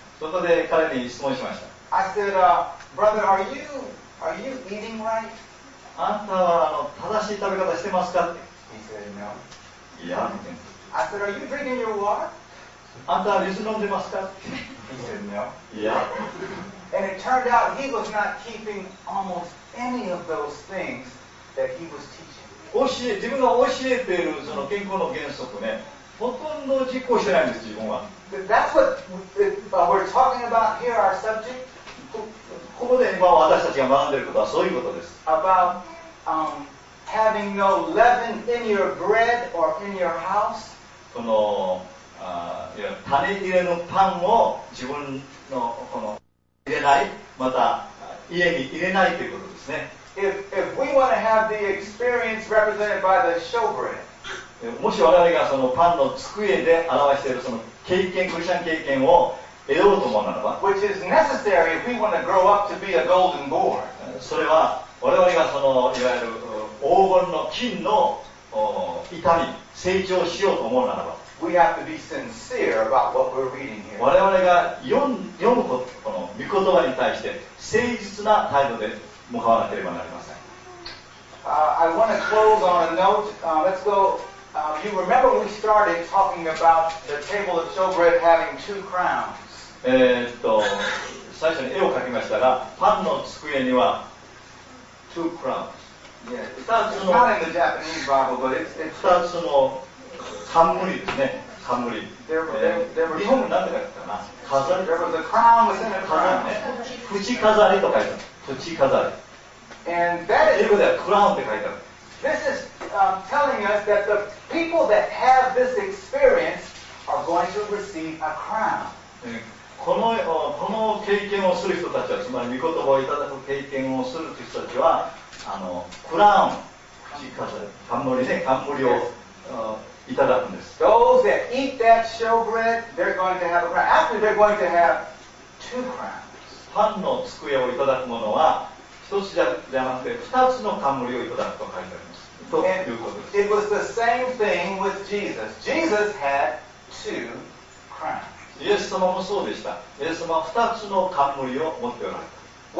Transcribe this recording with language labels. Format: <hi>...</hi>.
<ja>そこで彼に質問しました。</ja> <en>I said, brother, are you eating right?</en> <ja>あんたは正しい食べ方してますかって。</ja> <en>He said, no.</en> <ja>いや。</ja> <en>I said, are you drinking your water?</en> <ja>あんたは水飲んでますか？</ja> <en>He said no. Yeah. And it turned out he was not keeping almost any of those things that he was teaching.</en> <ja>教え、自分が教えているその健康の原則ね、ほとんど実行してないんです、自分は。</ja> <en>That's what we're talking about here, our subject.</en> <ja>ここで今私たちが学んでいることはそういうことです。</ja> <en>About having no leaven in your bread or in your house.</en> <ja>その種入れのパンを自分 の, この入れない、また家に入れないということですね。</ja> <en>If we want to have the experience represented by the showbread,</en> <ja>もし我々がそのパンの机で表しているその経験、クリスチャン経験を得ようと思うならば、</ja> <en>which is necessary if we want to grow up to be a golden board,</en> <ja>それは我々がそのいわゆる黄金の金の板に成長しようと思うならば、</ja> <en>We have to be sincere about what we're reading here.</en> <ja>我々が読むことこの御言葉に対して誠実な態度で向かわなければなりません。</ja> <en>I want to close on a note. Let's go. You remember we started talking about the table of showbread having two crowns.</en> <ja>最初に絵を描きましたが、パンの机には</ja> <en>two crowns. Yeah. It's not in the Japanese Bible, but it's</en> <ja>2つの冠ですね。冠。日本なんて書いてたかな。飾り。縁飾りと書いてある。縁飾り。</ja> <en>And that is,</en> <ja>英語ではクラウンって書いてある。</ja> <en>This is telling us that the people that have this experience are going to receive a crown.</en> <ja>この経験をする人たちは、つまり御言葉をいただく経験をする人たちは、クラウン、縁飾り、冠ね、冠を。</ja> <en>Yes.</en> <ja>いただくんです。</ja> <en>Those that eat that showbread, they're going to have a crown. After they're going to have two crowns.</en> <ja>パンの机をいただくものは、一つじゃなくて二つの冠をいただくと書いてあります。ということです。</ja> <en>It was the same thing with Jesus. Jesus had two crowns.</en> <ja>イエス様もそうでした。イエス様は二つの冠を持っておられた。</ja>